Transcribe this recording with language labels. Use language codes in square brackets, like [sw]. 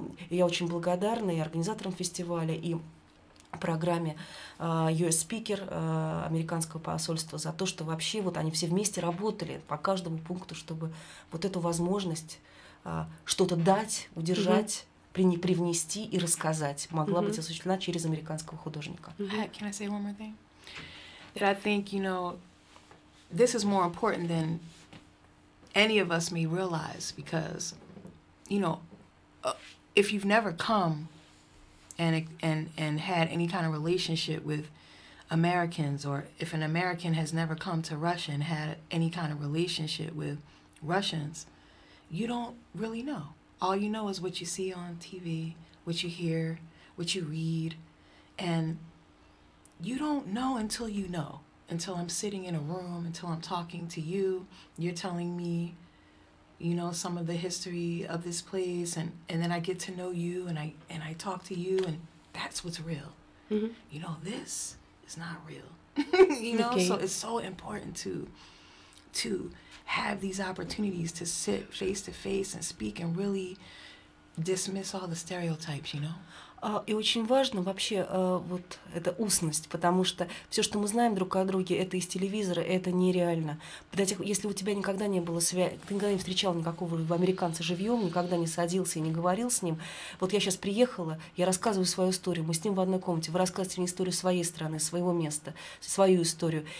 [ru] Я очень благодарна и организаторам фестиваля, и программе US Speaker американского посольства за то, что вообще вот они все вместе работали по каждому пункту, чтобы вот эту возможность что-то дать, удержать, привнести и рассказать могла быть осуществлена через американского художника. [en] Can I say one more thing? That I think, you know, this is more important than any of us may realize, because, you know, if you've never come and had any kind of relationship with Americans, or if an American has never come to Russia and had any kind of relationship with Russians, you don't really know. All you know is what you see on TV, what you hear, what you read. And you don't know until you know, until I'm sitting in a room, until I'm talking to you, you're telling me, you know, some of the history of this place, and then I get to know you, and I talk to you, and that's what's real. You know, this is not real. You know, okay. So it's so important to have these opportunities to sit face to face and speak and really dismiss all the stereotypes, you know? [ru] И очень важно вообще вот эта устность, потому что все, что мы знаем друг о друге, это из телевизора, это нереально. Если у тебя никогда не было связи, ты никогда не встречал никакого американца живьем, никогда не садился и не говорил с ним. Вот я сейчас приехала, я рассказываю свою историю, мы с ним в одной комнате, вы рассказываете мне историю своей страны, своего места, свою историю.